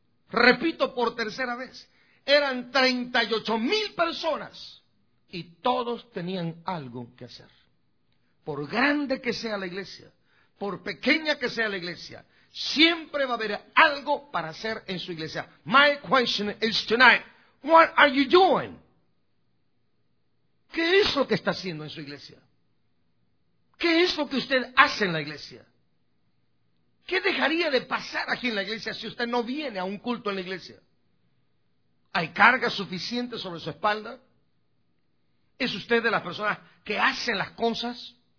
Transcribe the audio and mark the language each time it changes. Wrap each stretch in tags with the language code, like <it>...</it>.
<es>Repito por tercera vez, eran 38,000 personas, y todos tenían algo que hacer. Por grande que sea la iglesia, por pequeña que sea la iglesia, siempre va a haber algo para hacer en su iglesia.</es> <en>My question is tonight, what are you doing?</en> <es>¿Qué es lo que está haciendo en su iglesia? ¿Qué es lo que usted hace en la iglesia? ¿Qué dejaría de pasar aquí en la iglesia si usted no viene a un culto en la iglesia? ¿Hay carga suficiente sobre su espalda? ¿Es usted de las personas que hacen las cosas?</es>